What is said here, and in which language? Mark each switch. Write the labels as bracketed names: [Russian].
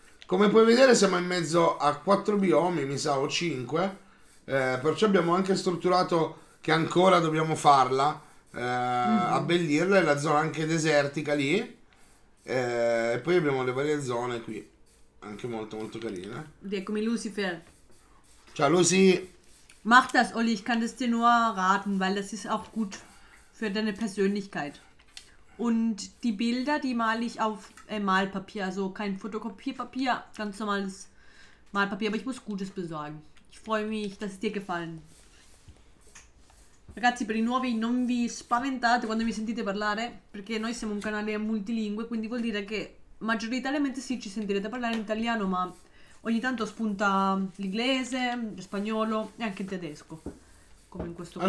[Italian] Come puoi vedere siamo in mezzo a 4 biomi, mi sa, o 5, perciò abbiamo anche strutturato che ancora dobbiamo farla, abbellirla, la zona anche desertica lì, e poi abbiamo le varie zone qui, anche molto molto carine. Dei come Lucifer. Ciao Lucy. [German] Mach das, Olli, ich kann das dir nur raten, weil das ist auch gut für deine Persönlichkeit. Und die Bilder, die male ich auf Malpapier, also kein Fotokopierpapier, ganz normales Malpapier, aber ich muss Gutes besorgen. Ich freue mich, dass es dir gefallen. [Italian] Ragazzi, per i nuovi non vi spaventate quando mi sentite parlare, perché noi siamo un canale multilingue, quindi vuol dire che maggioritariamente sì, ci sentirete parlare in italiano, ma ogni tanto spunta l'inglese, lo spagnolo e anche il tedesco, come in questo caso.